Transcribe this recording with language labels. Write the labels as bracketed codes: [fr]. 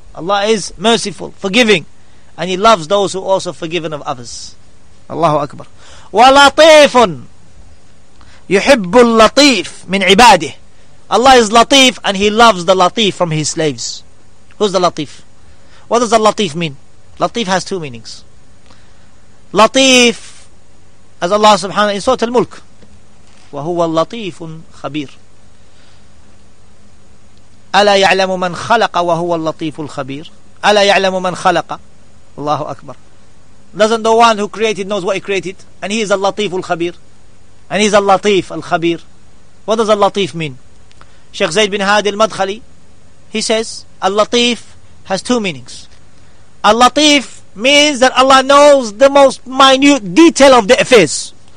[en] Allah is merciful, forgiving. And He loves those who are also forgiven of others. [ar] Allahu Akbar. وَلَطِيفٌ يُحِبُّ اللَّطِيفُ مِنْ عِبَادِهِ. [en] Allah is Latif and He loves the Latif from His slaves. Who's the Latif? What does the Latif mean? Latif has two meanings. Latif, as Allah subhanahu wa ta'ala in Surah Al-Mulk, [ar] وَهُوَ اللَّطِيفٌ خَبِيرٌ أَلَا يَعْلَمُ مَنْ خَلَقَ وَهُوَ اللَّطِيفُ الْخَبِيرٌ أَلَا يَعْلَمُ مَنْ خَلَقَ. Allahu Akbar. [en] Doesn't the one who created knows what He created? And He is Al-Latif Al-Khabir. And He is Al-Latif Al-Khabir. What does Al-Latif mean? Sheikh Zayd bin Hadi Al-Madkhali, he says, Al-Latif has two meanings. Al-Latif means that Allah knows the most minute detail of the affairs.